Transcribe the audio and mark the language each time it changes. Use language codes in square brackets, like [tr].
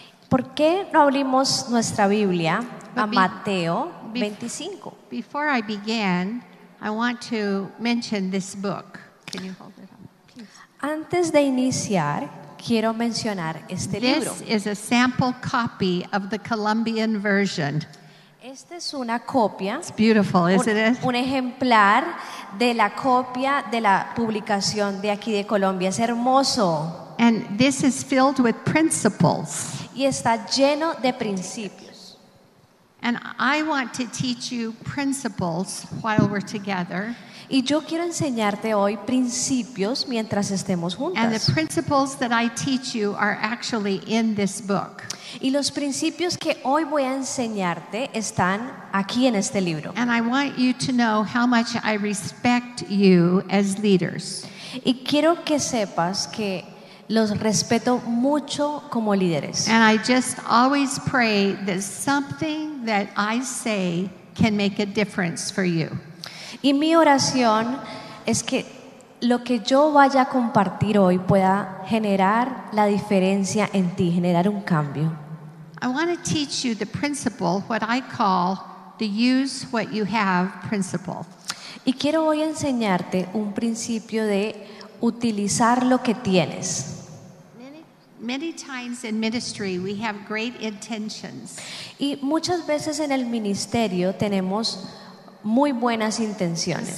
[es] ¿Por qué no abrimos nuestra Biblia a Mateo 25? [en] Before I begin, I want to mention this book. Can you hold it up, please? [es] Antes de iniciar, quiero mencionar este [en] this [es] libro. [en] This is a sample copy of the Colombian version. [es] Esta es una copia. [en] It's beautiful, isn't it? [es] Un ejemplar de la copia de la publicación de aquí de Colombia. Es hermoso. [en] And this is filled with principles. [es] Y está lleno de principios. [en] And I want to teach you principles while we're together. [es] Y yo quiero enseñarte hoy principios mientras estemos juntas. [en] And the principles that I teach you are actually in this book. [es] Y los principios que hoy voy a enseñarte están aquí en este libro. [en] And I want you to know how much I respect you as leaders. [es] Y quiero que sepas que los respeto mucho como líderes. [en] And I just always pray that something that I say can make a difference for you. [es] Y mi oración es que lo que yo vaya a compartir hoy pueda generar la diferencia en ti, generar un cambio. [en] I want to teach you the principle, what I call the use what you have principle. [es] Y quiero hoy enseñarte un principio de utilizar lo que tienes. [en] Many times in ministry we have great intentions. [es] Y muchas veces en el ministerio tenemos muy buenas intenciones.